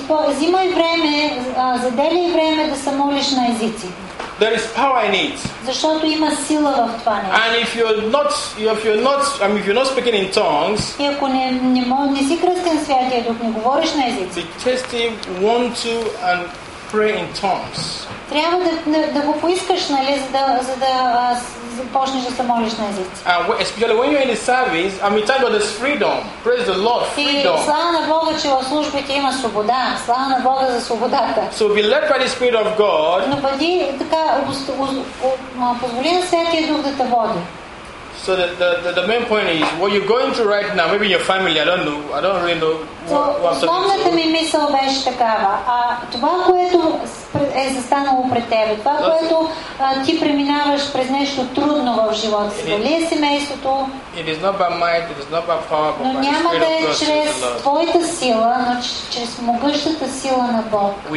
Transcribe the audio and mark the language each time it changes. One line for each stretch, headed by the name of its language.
Bulgarian: Взимай време, заделяй време да се молиш на езици.
English: There is power in it.
Bulgarian: Защото има сила в това нещо.
English: And if you're not speaking in tongues.
Bulgarian: И ако не си кръстен святия дух, не говориш на езици.
English: Test him, want to and pray in tongues.
Bulgarian: Трябва да го поискаш, нали, за да започнеш да се молиш на езици.
English: Especially when you're in the service, talking about this freedom. Praise the Lord, freedom.
Bulgarian: И слава на Бога, че в службите има свобода. Слава на Бога за свободата.
English: So be led by the Spirit of God.
Bulgarian: Но бъди така, позволи на Святия Дух да те води.
English: So the main point is what you're going through right now, maybe your family, I don't really know what I'm talking about.
Bulgarian: Мисъл беше такава. А това, което е застанало пред тебе, това, което ти преминаваш през нещо трудно в живота си, дали е семейството.
English: It is not by might, it is not by power, but
Bulgarian: но няма да е чрез твоята сила, но чрез могъщата сила на Бог.